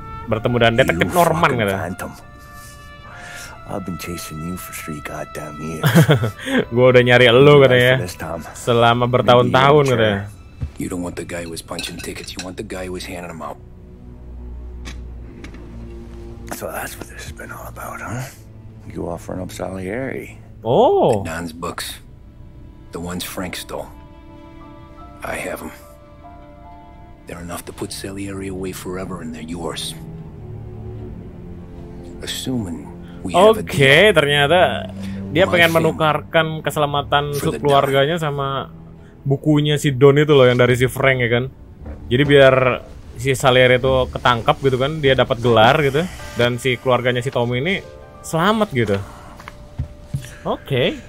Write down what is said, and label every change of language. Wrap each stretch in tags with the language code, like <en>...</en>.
<id>Bertemu dengan detektif Norman gitu.</id> <en>Phantom. I've been chasing you for 3 goddamn years.</en> <id>Gua udah nyari elu katanya. Selama bertahun-tahun katanya.</id> <en>You don't want the guy who was punching tickets, you want the guy who was handing them out. So that's what this has been all about, huh? You offering up Salieri. Oh. The Don's books. The ones Frank stole. I have them. They're enough to put Salieri away forever and they're yours. Assuming</en> <id>Oke, ternyata dia pengen menukarkan keselamatan keluarganya sama bukunya si Don itu loh, yang dari si Frank ya kan. Jadi biar si Salieri itu ketangkap gitu kan, dia dapat gelar gitu, dan si keluarganya si Tommy ini selamat gitu. Oke. Okay.</id>